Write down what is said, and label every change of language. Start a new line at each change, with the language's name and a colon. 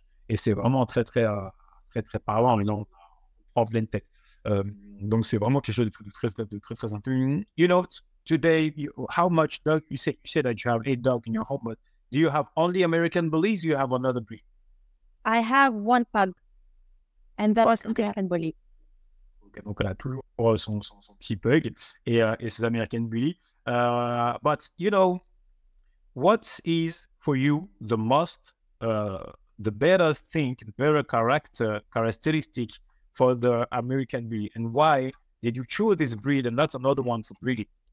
French: Et c'est vraiment très, très, très, très parlant, mais non, on prend plein de tête. Donc, c'est vraiment quelque chose de très, très, très, très intéressant.
English: You know, today, how much dog, you said that you have eight dogs in your home, but do you have only American Bullies, or you have another breed? I have one pug, and that was American Bully.
French: Okay, donc, elle a toujours son petit pug, et ses American Bully.
English: But, you know, what is, for you, the most... The better characteristic for the American breed, and why did you choose this breed and not another one for breeding?